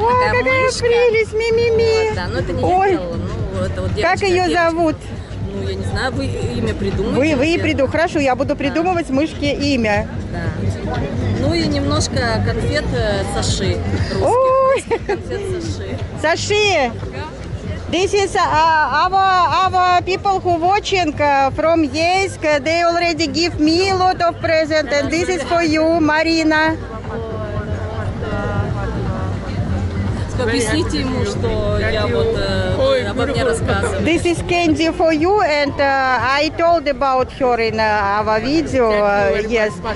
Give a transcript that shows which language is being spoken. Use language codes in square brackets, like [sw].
[ru] О, какая прелесть, ми-ми-ми. Вот, да, ну это не Ой. Я делала. Ну, это вот девочка, как ее девочка. Зовут? Ну, я не знаю, вы имя придумаете. Вы и приду. Хорошо, я буду придумывать, да, мышке имя. Да. Ну и немножко конфет Саши. Ой! Конфет Саши. [en] This is our people who watching from Yeisk. They already give me a lot of present, and this is for you, Marina. [ru] Объясните ему, что я вот обо мне рассказываю. [en] This is candy for you, and I told about her in our video, yes.